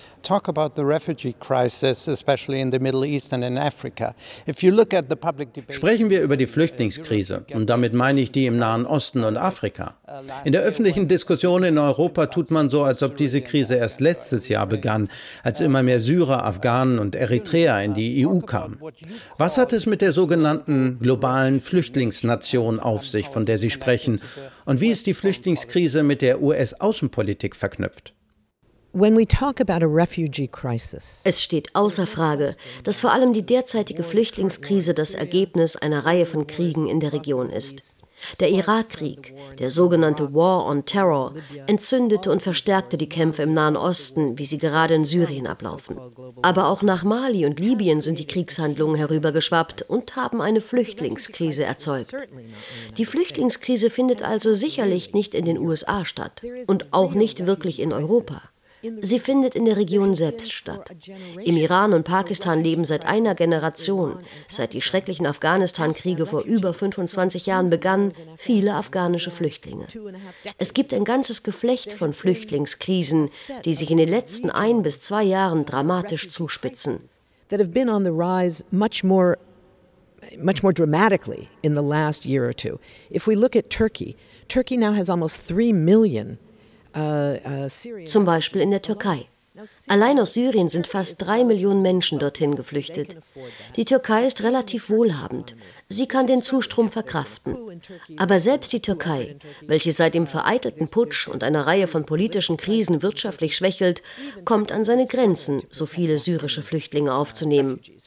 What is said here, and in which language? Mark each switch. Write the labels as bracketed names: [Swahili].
[English] Talk about the refugee crisis, especially in the Middle East and in Africa. If you look at the public debate, [German] sprechen wir über die Flüchtlingskrise, und damit meine ich die im Nahen Osten und Afrika. In der öffentlichen Diskussion in Europa tut man so, als ob diese Krise erst letztes Jahr begann, als immer mehr Syrer, Afghanen und Eritreer in die EU kamen. Was hat es mit der sogenannten globalen Flüchtlingsnation auf sich, von der Sie sprechen? Und wie ist die Flüchtlingskrise mit der US-Außenpolitik verknüpft? [English] When we talk about a refugee crisis. [German] Es steht außer Frage, dass vor allem die derzeitige Flüchtlingskrise das Ergebnis einer Reihe von Kriegen in der Region ist. Der Irakkrieg, der sogenannte War on Terror, entzündete und verstärkte die Kämpfe im Nahen Osten, wie sie gerade in Syrien ablaufen. Aber auch nach Mali und Libyen sind die Kriegshandlungen herübergeschwappt und haben eine Flüchtlingskrise erzeugt. Die Flüchtlingskrise findet also sicherlich nicht in den USA statt und auch nicht wirklich in Europa. Sie findet in der Region selbst statt. Im Iran und Pakistan leben seit einer Generation, seit die schrecklichen Afghanistan-Kriege vor über 25 Jahren begannen, viele afghanische Flüchtlinge. Es gibt ein ganzes Geflecht von Flüchtlingskrisen, die sich in den letzten 1 bis 2 Jahren dramatisch zuspitzen. [English] That have been on the rise much more dramatically in the last year or two. If we look at Turkey, Turkey now has almost 3 million. [German] Zum Beispiel in der Türkei. Allein aus Syrien sind fast 3 Millionen Menschen dorthin geflüchtet. Die Türkei ist relativ wohlhabend. Sie kann den Zustrom verkraften. Aber selbst die Türkei, welche seit dem vereitelten Putsch und einer Reihe von politischen Krisen wirtschaftlich schwächelt, kommt an seine Grenzen, so viele syrische Flüchtlinge aufzunehmen.